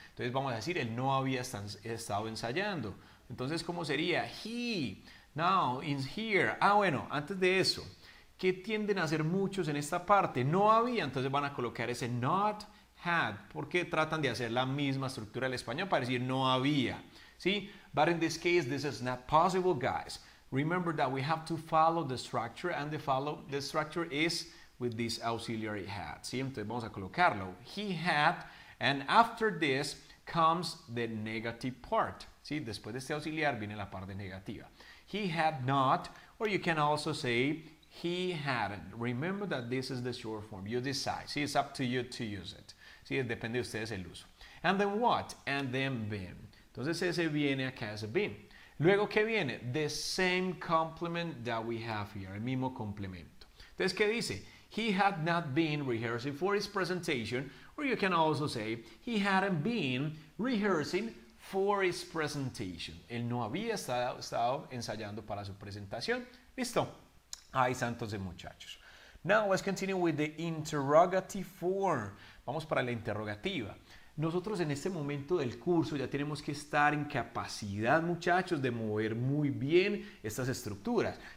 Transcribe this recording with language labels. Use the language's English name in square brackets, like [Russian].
[Spanish] Entonces vamos a decir, él no había estado ensayando. Entonces, ¿cómo sería? He... [English] Now, in here. [Spanish] Ah, bueno, antes de eso, ¿qué tienden a hacer muchos en esta parte? No había, entonces van a colocar ese not had. ¿Por qué tratan de hacer la misma estructura del español para decir no había? ¿Sí? [English] But in this case, this is not possible, guys. Remember that we have to follow the structure, and the structure is with this auxiliary had. ¿Sí? [Spanish] Entonces vamos a colocarlo. [English] He had, and after this comes the negative part. ¿Sí? [Spanish] Después de este auxiliar viene la parte negativa. [English] He had not, or you can also say, he hadn't. Remember that this is the short form. You decide. See, it's up to you to use it. See, [Spanish] depende de ustedes el uso. [English] And then what? And then been. [Spanish] Entonces, ese viene acá, ese been. Luego, ¿qué viene? [English] The same complement that we have here. [Spanish] El mismo complemento. Entonces, ¿qué dice? [English] He had not been rehearsing for his presentation. Or you can also say, he hadn't been rehearsing for his presentation. [Spanish] Él no había estado ensayando para su presentación. ¿Listo? Ahí está entonces, muchachos. [English] Now, let's continue with the interrogative form. [Spanish] Vamos para la interrogativa. Nosotros en este momento del curso ya tenemos que estar en capacidad, muchachos, de mover muy bien estas estructuras.